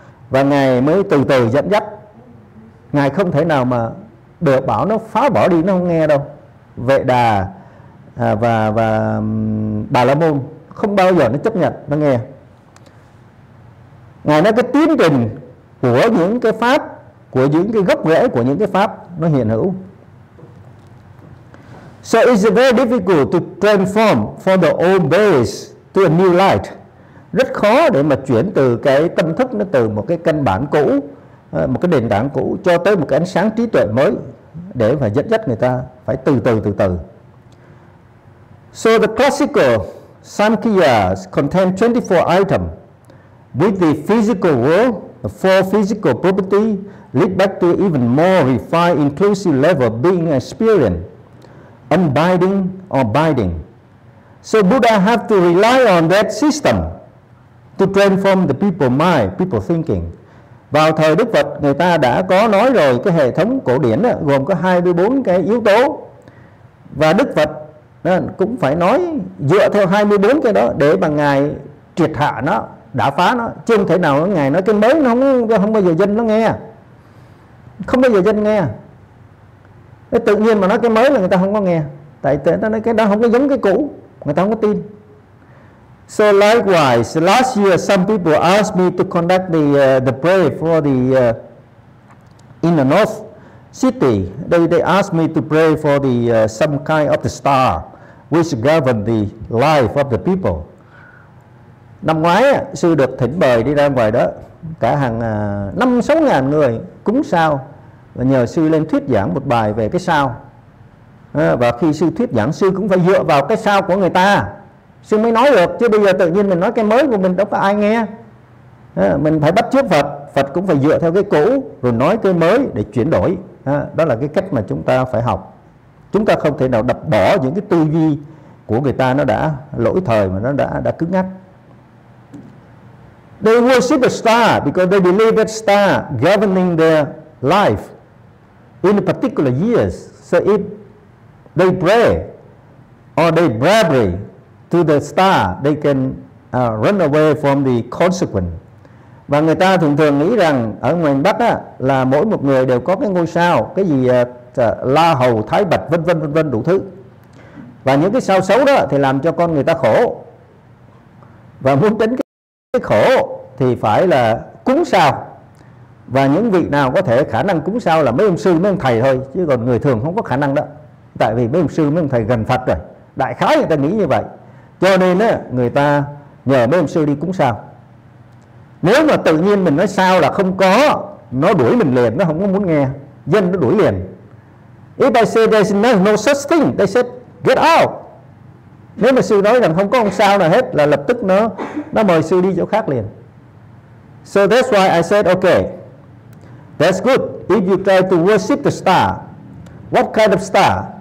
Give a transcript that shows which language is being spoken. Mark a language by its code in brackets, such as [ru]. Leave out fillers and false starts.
[vi] Và Ngài mới từ từ dẫn dắt. Ngài không thể nào mà được bảo nó phá bỏ đi, nó không nghe đâu. Vệ Đà và Bà La Môn không bao giờ nó chấp nhận, nó nghe. Ngài nói cái tiến trình của những cái pháp, của những cái gốc rễ của những cái pháp nó hiện hữu. [en] So it's very difficult to transform from the old base to a new light. [vi] Rất khó để mà chuyển từ cái tâm thức nó từ một cái căn bản cũ, một cái nền tảng cũ cho tới một cái ánh sáng trí tuệ mới, để mà dẫn dắt người ta phải từ từ. [en] So the classical Samkhya contains 24 items, with the physical world, the four physical properties, lead back to even more refined inclusive level being experienced, unbinding or binding. So Buddha have to rely on that system to transform the people mind, people thinking. [vi] Vào thời Đức Phật, người ta đã có nói rồi, cái hệ thống cổ điển đó, gồm có 24 cái yếu tố. Và Đức Phật cũng phải nói dựa theo 24 cái đó để mà Ngài triệt hạ nó, đã phá nó, chứ không thể nào Ngài nói cái mới nó không bao giờ dân nó nghe, không bao giờ dân nghe. Thế tự nhiên mà nói cái mới là người ta không có nghe, tại nó nói cái đó không có giống cái cũ, người ta không có tin. [en] So likewise, last year some people asked me to conduct the prayer for the in the north city. They asked me to pray for the some kind of the star which govern the life of the people. [vi] Năm ngoái sư được thỉnh mời đi ra ngoài đó, cả hàng 5-6 ngàn người cúng sao, và nhờ sư lên thuyết giảng một bài về cái sao. Và khi sư thuyết giảng, sư cũng phải dựa vào cái sao của người ta sư mới nói được, chứ bây giờ tự nhiên mình nói cái mới của mình đâu có ai nghe. Mình phải bắt chước Phật, Phật cũng phải dựa theo cái cũ rồi nói cái mới để chuyển đổi. Đó là cái cách mà chúng ta phải học. Chúng ta không thể nào đập bỏ những cái tư duy của người ta, nó đã lỗi thời mà nó đã cứng ngắc. [en] They worship a star because they believe that star governing their life in a particular years. So if they pray or they bribery to the star, they can run away from the consequence. [vi] Và người ta thường thường nghĩ rằng ở miền Bắc á, là mỗi một người đều có cái ngôi sao, cái gì La Hầu, Thái Bạch, vân vân đủ thứ. Và những cái sao xấu đó thì làm cho con người ta khổ. Và muốn tránh cái khổ thì phải là cúng sao. Và những vị nào có thể khả năng cúng sao là mấy ông sư, mấy ông thầy thôi, chứ còn người thường không có khả năng đó. Tại vì mấy ông sư, mấy ông thầy gần Phật rồi, đại khái người ta nghĩ như vậy. Cho nên người ta nhờ mấy ông sư đi cúng sao. Nếu mà tự nhiên mình nói sao là không có, nó đuổi mình liền, nó không có muốn nghe, dân nó đuổi liền. [en] If I say there's no such thing, they said get out. [vi] Nếu mà sư nói rằng không có ông sao nào hết là lập tức nó mời sư đi chỗ khác liền. [en] So that's why I said okay, that's good. If you try to worship the star, what kind of star?